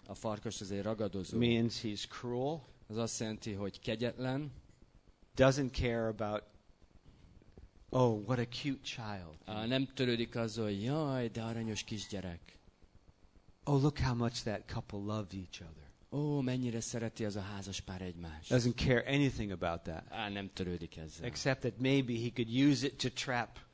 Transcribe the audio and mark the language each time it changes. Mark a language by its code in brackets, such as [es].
[hu] A farkas az egy ragadozó. [en] Means he's cruel. [hu] Az azt jelenti, hogy kegyetlen. [en] Doesn't care about, oh, what a cute child. [hu] Nem törődik azzal, hogy jaj, de aranyos kisgyerek. [en] Oh, look how much that couple loved each other. [hu] Oh, mennyire szereti az a házaspár egymást. [en] Doesn't care anything about that. [hu] Nem törődik ezzel. [en] Except that maybe he could use it to trap.